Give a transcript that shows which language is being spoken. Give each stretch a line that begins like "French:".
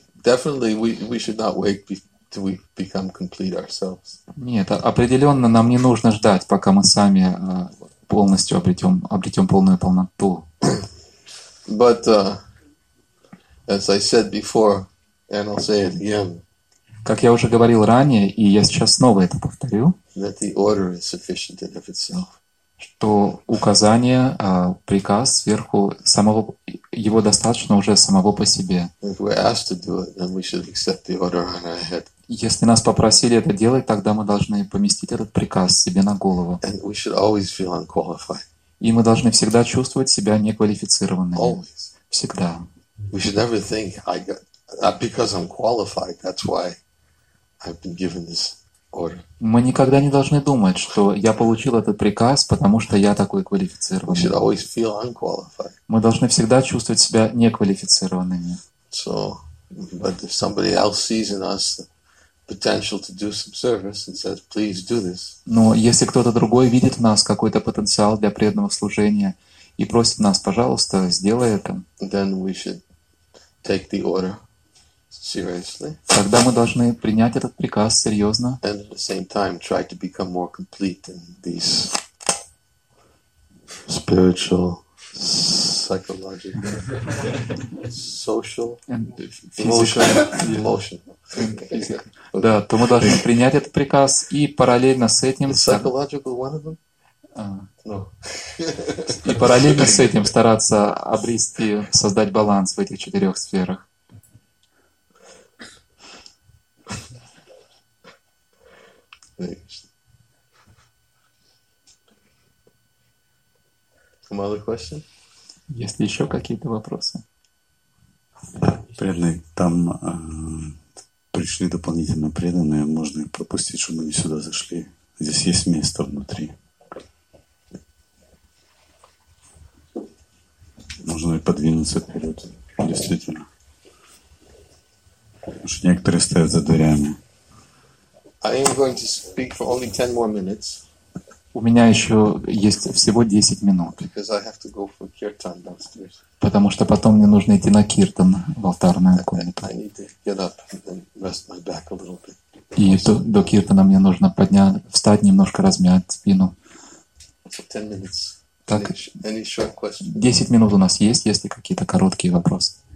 English: Definitely, we should not wait till we become complete ourselves.
Russian: Нет, определенно нам не нужно ждать, пока мы сами полностью обретем полную полноту.
English: But as I said before, and I'll say it again.
Russian: Как я уже говорил ранее, и я сейчас снова это повторю.
English: That the order is sufficient in of itself.
Russian: Что указание, приказ сверху самого его достаточно уже самого по себе.
English: If we're asked to do it, then we should accept the order on our head.
Russian: Если нас попросили это делать, тогда мы должны поместить этот приказ себе на голову.
English: And we should always feel unqualified.
Russian: И мы должны всегда чувствовать себя неквалифицированными.
English: Always.
Russian: Всегда.
English: We should never think I got. Not because I'm qualified, that's why I've been given this order.
Russian: Мы никогда не должны думать, что я получил этот приказ, потому что я такой квалифицированный.
English: We should always feel unqualified.
Russian: Мы должны всегда чувствовать себя неквалифицированными.
English: So, but if somebody else sees in us potential to do some service and says, please do this.
Russian: Но если кто-то другой видит в нас какой-то потенциал для преданного служения и просит нас, пожалуйста, сделай это.
English: Then we should take the order. Seriously.
Russian: Тогда мы должны принять этот приказ серьезно.
English: And at the same time try to become more complete in these spiritual, psychological, social, emotional.
Russian: Да, то мы должны принять этот приказ и параллельно с этим.
English: Psychological one of them? No.
Russian: И параллельно с этим стараться обрести, создать баланс в этих четырех сферах.
English: Some other question?
Russian: Есть ли еще какие-то вопросы? Преданные, там пришли дополнительно преданные, можно их пропустить, чтобы они сюда зашли. Здесь есть место внутри. Можно и подвинуться вперед, действительно. Потому что некоторые стоят за дверями.
English: I am going to speak for only 10 more minutes.
Russian: У меня еще есть всего 10 минут.
English: Because I have to go for kirtan downstairs.
Russian: Потому что потом мне нужно идти на киртан в алтарную комнату.
English: I need to get up and rest my back a little bit.
Russian: И до киртана мне нужно встать немножко, размять спину.
English: So 10 minutes.
Russian: Так,
English: any short questions?
Russian: 10 минут у нас есть. Есть ли какие-то короткие вопросы?